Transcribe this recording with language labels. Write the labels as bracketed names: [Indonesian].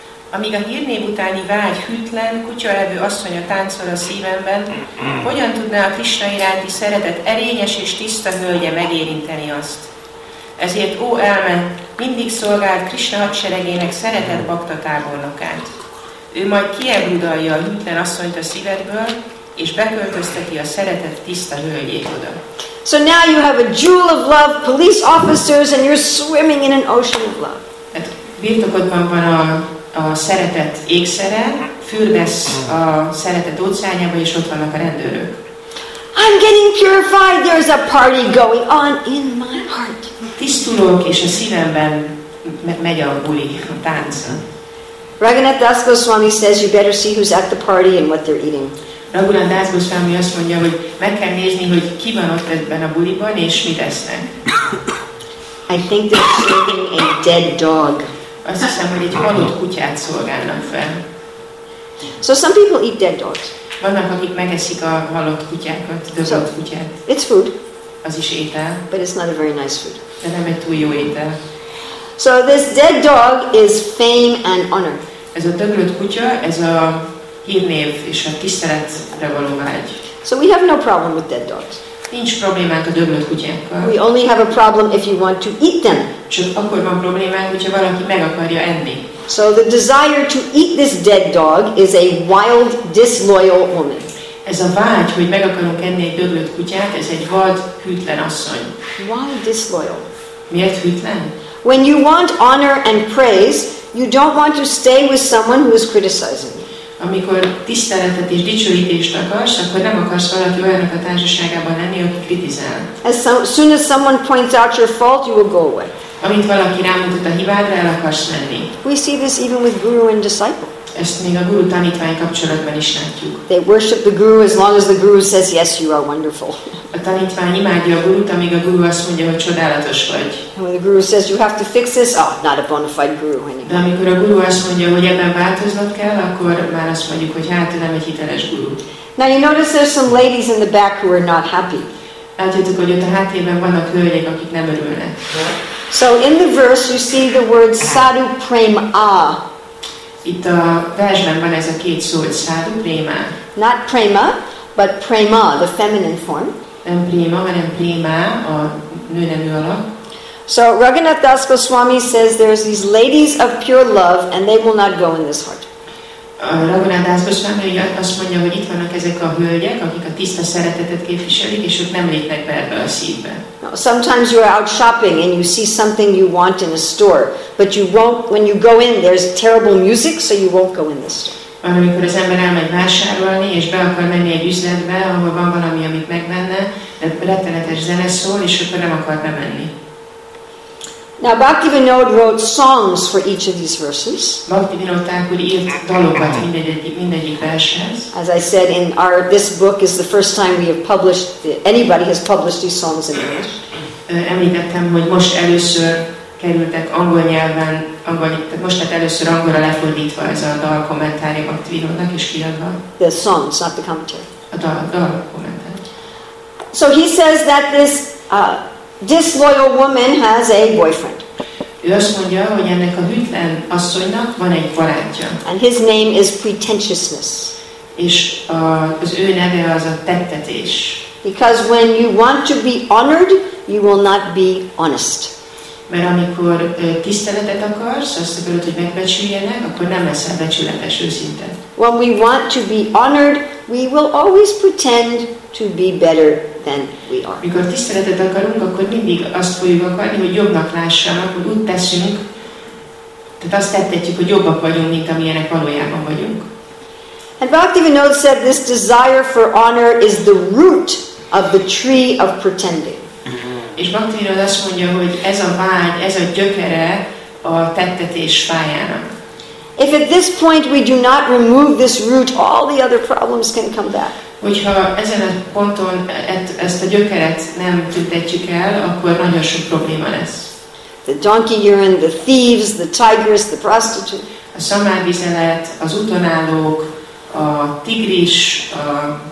[Hungarian] Amíg a hírnév utáni vágy hűtlen, kutyalevő asszony a táncol a szívemben, hogyan tudná a Krisna iránti szeretet erényes és tiszta hölgye megérinteni azt? Ezért ó elme, mindig szolgált Krisna hadseregének szeretett bakta tábornokát. Ő majd kieguldalja a hűtlen asszonyt a szívedből, és beköltözteti a szeretett tiszta hölgyét oda. [English] So now you have a jewel of love, police officers, and you're swimming in an ocean of love. [Hungarian] Hát birtokodban van a szeretet ékszere, fürdesz a szeretet óceánjába, és ott vannak a rendőrök. [English] I'm getting purified, there's a party going on in my heart. [Hungarian] Tisztulok, és a szívemben megy a buli, a tánc. [English] Raghunath Das Goswami says, you better see who's at the party and what they're eating. [Hungarian] Raghunath Das Goswami azt mondja, hogy meg kell nézni, hogy ki van ott ebben a buliban, és mit esznek. [English] I think they're serving a dead dog. [Hungarian] Azt hiszem, hogy egy halott kutyát szolgálnak fel. [English] So some people eat dead dogs. [Hungarian] Vannak, akik megeszik a halott kutyákat, dögött kutyát. [English] It's food. [Hungarian] Az is étel. [English] But it's not a very nice food. [Hungarian] De nem egy túl jó étel. [English] So this dead dog is fame and honor. [Hungarian] Ez a dögött kutya, ez a hírnév és a tiszteletre való vágy. [English] So we have no problem with dead dogs. [Hungarian] Nincs problémánk a döglött kutyákkal. [English] We only have a problem if you want to eat them. [Hungarian] Csak akkor van problémánk, hogyha valaki meg akarja enni. [English] So the desire to eat this dead dog is a wild, disloyal woman. [Hungarian] Ez a vágy, hogy meg akarunk enni egy döglött kutyát, ez egy vad, hűtlen asszony. [English] Why disloyal? [Hungarian] Miért hűtlen? [English] When you want honor and praise, you don't want to stay with someone who is criticizing you. [Hungarian] Amikor tiszteletet és dicsőítést akarsz, akkor nem akarsz valaki olyannak a társaságában lenni, aki kritizál. [English] As soon as someone points out your fault, you will go away. [Hungarian] Amint valaki rámutat a hibádra, el akarsz menni. [English] We see this even with guru and disciple. [Hungarian] Ezt még a guru tanítvány kapcsolatban is látjuk. [English] They worship the guru as long as the guru says yes, you are wonderful. [Hungarian] A tanítvány imádja a gurut, amíg a guru azt mondja, hogy csodálatos vagy. [English] And when the guru says you have to fix this, oh, not a bona fide guru anymore. [Hungarian] De amikor a guru azt mondja, hogy ebben változnod kell, akkor már azt mondjuk, hogy hát nem egy hiteles guru. [English] Now you notice there's some ladies in the back who are not happy. [Hungarian] Látjátok, hogy ott a háttérben vannak hölgyek, akik nem örülnek. [English] So in the verse you see the word sadhu prema. [Hungarian] Itt a versben van ez a két szó, hogy sadhu prema. [English] Not prema, but prema, the feminine form. [Hungarian] Nem prema, hanem prema, a nőnemű alak. [English] So Raghunath Das Goswami says there's these ladies of pure love and they will not go in this heart. [Hungarian] Raghunath Das Goswami azt mondja, hogy itt vannak ezek a hölgyek, akik a tiszta szeretetet képviselik, és ők nem lépnek be ebbe a szívbe. [English] Now, sometimes you are out shopping and you see something you want in a store, but you won't, when you go in, there's terrible music, so you won't go in the store. [Hungarian] Amikor az ember elmegy vásárolni, és be akar menni egy üzletbe, ahol van valami, amit megvenne, de rettenetes zene szól, és akkor nem akar bemenni. [English] Now Bhaktivinoda wrote songs for each of these verses. As I said, in our this book is the first time we have published anybody has published these songs in English. [Hungarian] Említettem, hogy most először kerültek angol nyelven, tehát most lett először angolra lefordítva ez a dal kommentárja Bhaktivinodának és kiadva. [English] The songs, not the commentary. [Hungarian] A dal kommentár. [English] So he says that this disloyal woman has a boyfriend. [Hungarian] Ő azt mondja, hogy ennek a hűtlen asszonynak van egy barátja. [English] And his name is pretentiousness. [Hungarian] És az ő neve az a tettetés. [English] Because when you want to be honored, you will not be honest. [Hungarian] Mert amikor tiszteletet akarsz, azt akarod, hogy megbecsüljenek, akkor nem leszel becsületes, őszinte. [English] When we want to be honored, we will always pretend to be better than we are. [Hungarian] Mikor tiszteletet akarunk, akkor mindig azt fogjuk akarni, hogy jobbnak lássanak, hogy úgy teszünk, tehát azt tettetjük, hogy jobbak vagyunk, mint amilyenek valójában vagyunk. [English] And Bhaktivinoda said this desire for honor is the root of the tree of pretending. [Hungarian] És Bhaktivinoda azt mondja, hogy ez a vágy, ez a gyökere a tettetés fájának. [English] If at this point we do not remove this root, all the other problems can come back. [Hungarian] Hogyha ezen a ponton ezt a gyökeret nem tüntetjük el, akkor nagyon sok probléma lesz. [English] The donkey urine, the thieves, the tigers, the prostitute. [Hungarian] A szamárvizelet, az utonállók, a tigris, a